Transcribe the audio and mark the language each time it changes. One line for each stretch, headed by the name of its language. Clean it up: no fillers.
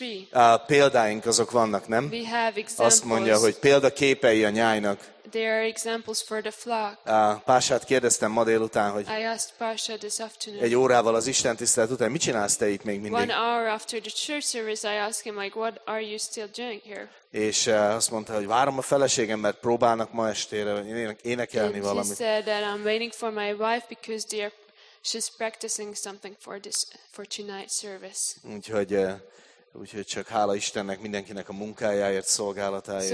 Hungarian: A példáink azok vannak, nem?
English: We have examples.
Hungarian: Azt mondja, hogy példaképei a nyájnak.
English: There are examples for the flock.
Hungarian: Pását kérdeztem ma délután, hogy
English: I asked Pasha this afternoon.
Hungarian: Egy órával az Isten tisztelet után, mit csinálsz te itt még mindig?
English: One hour after the church service, I asked him, like, what are you still doing here?
Hungarian: És azt mondta, hogy várom a feleségem, mert próbálnak ma estére énekelni
English: And
Hungarian: valamit.
English: He said that I'm waiting for my wife because they are, she's practicing something for this for tonight's service.
Hungarian: Úgyhogy úgyhogy csak hála Istennek mindenkinek a munkájáért, szolgálatáért.